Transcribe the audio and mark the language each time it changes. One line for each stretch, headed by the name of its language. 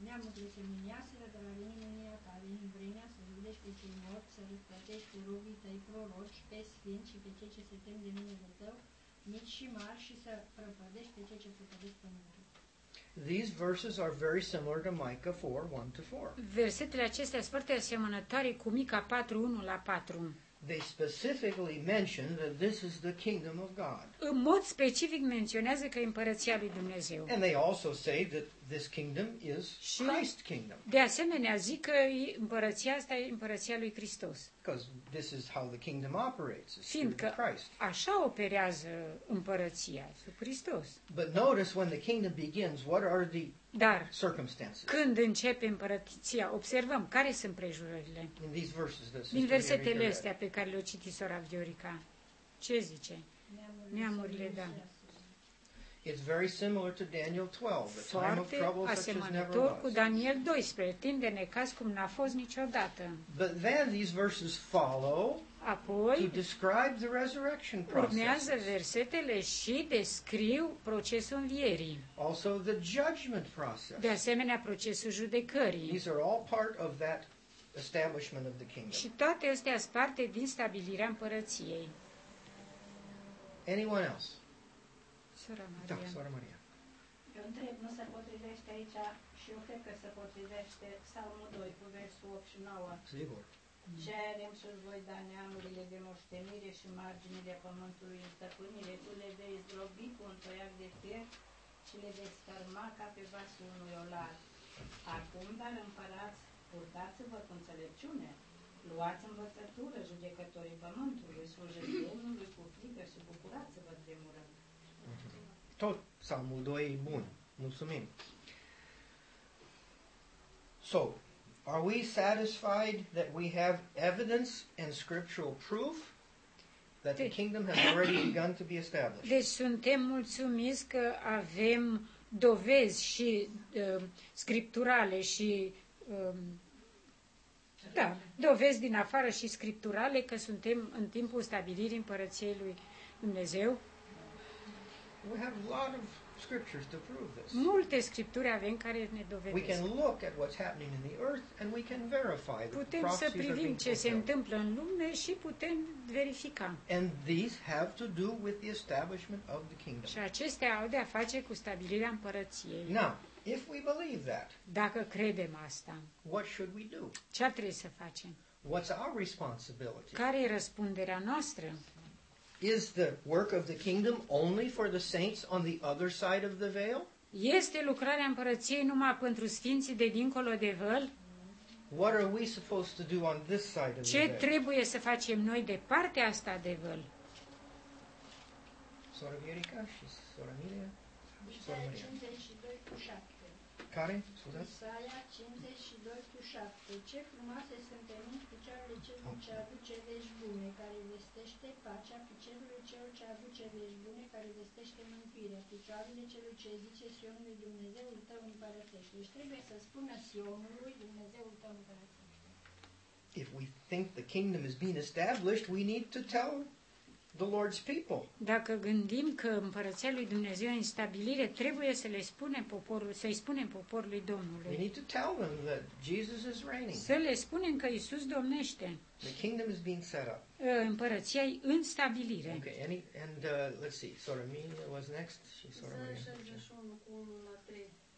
Romanian: Neamurile se mâniaseră de la linia ta, venind vremea să judești pe cei morți, să răsplătești cu robii tăi proroci, pe sfinți și pe cei ce se tem de numele tău, mici și mari, și să prăpădești pe cei ce prăpădești pământul.
English: These verses are very similar to Micah 4, 1 to 4.
Romanian: Versetele acestea sunt foarte asemănătoare cu Mica 4, 1 la 4.
English: They specifically mention that this is the kingdom of God.
Romanian: În mod specific menționează că e împărăția lui Dumnezeu.
English: And they also say that this kingdom is Christ's kingdom.
Romanian: De asemenea, zic că împărăția asta e împărăția lui Hristos.
English: Because this is how the kingdom operates.
Romanian: Fiindcă așa operează împărăția, sub Hristos.
English: But notice when the kingdom begins, what are the
Romanian: Dar
English: circumstances?
Romanian: Când începe împărăția, observăm care sunt prejurările.
English: In these verses,
Romanian: din versetele astea pe care le-o citi sora Viorica, ce zice? Neamurile, da.
English: It's very similar to Daniel 12, the
Romanian: Foarte
English: time of trouble such as never was.
Romanian: Foarte asemănător cu Daniel 12, timp de necaz cum n-a fost niciodată.
English: But then these verses follow
Romanian: Apoi,
English: to describe the resurrection process.
Romanian: Urmează versetele și descriu procesul învierii.
English: Also the judgment process.
Romanian: De asemenea, procesul judecării.
English: These are all part of that establishment of the kingdom.
Romanian: Și toate astea sunt parte din stabilirea împărăției.
English: Anyone else?
Romanian: Sora Maria. Da, sora Maria. Eu întreb, nu se potrivește aici și eu cred că se potrivește Psalmul 2 cu versul 8 și 9. Sigur. Cerem și-ți voi da neamurile de moștenire și marginile pământului în stăpânire. Tu le vei zdrobi cu un toiac de fier și le vei scărma ca pe vasul unui olar. Acum, dar împărați, purtați-vă cu înțelepciune. Luați învățătură, judecătorii pământului, slujeți Domnului cu frică și bucurați-vă tremurând. Tot Psalmul 2 e bun. Mulțumim.
English: So, are we satisfied that we have evidence and scriptural proof that the kingdom has already begun to be established?
Romanian: Deci suntem mulțumiți că avem dovezi și scripturale și da, dovezi din afară și scripturale că suntem în timpul stabilirii împărăției lui Dumnezeu.
English: We have a lot of scriptures to prove this.
Romanian: Multe scripturi avem care ne dovedesc.
English: We can look at what's happening in the earth and we can verify that the prophecies are being fulfilled.
Romanian: Putem să privim ce se întâmplă în lume și putem verifica.
English: And these have to do with the establishment of the kingdom.
Romanian: Și acestea au de a face cu stabilirea împărăției.
English: Now, if we believe that,
Romanian: dacă credem asta,
English: what should we do?
Romanian: Ce ar trebui să facem?
English: What's our responsibility?
Romanian: Care e răspunderea noastră?
English: Is the work of the kingdom only for the saints on the other side of the veil?
Romanian: Este lucrarea împărăției numai pentru sfinții de dincolo de vâl?
English: What are we supposed to do on this side of the veil?
Romanian: Ce trebuie să facem noi de partea asta de vâl? Sora Viorica și sora Emilia și sora Maria. Isaia 52:7. Care? Isaia 52:7. Ce frumoase sunt pe mine picioarele celui ce aduce vești bune, care vestește pacea, picioarele celui ce aduce vești bune, care vestește mântuirea, picioarele celui ce zice Sionului, Dumnezeul tău împărătește. Deci trebuie să spună Sionului, Dumnezeul tău împărătește.
English: If we think the kingdom is being established, we need to tell the Lord's people.
Romanian: Dacă gândim că împărăția lui Dumnezeu e în stabilire, trebuie să le spunem poporului, să-i spunem poporului Domnului.
English: We need to tell them that Jesus is reigning.
Romanian: Să le spunem că Iisus domnește.
English: The kingdom is being set up.
Romanian: Împărăția e în stabilire.
English: Okay, let's see. Sora Mina was next.
Romanian: Și Sora Mina. Să ungem rănile celor zdrobiți, să mângâiem rănile celor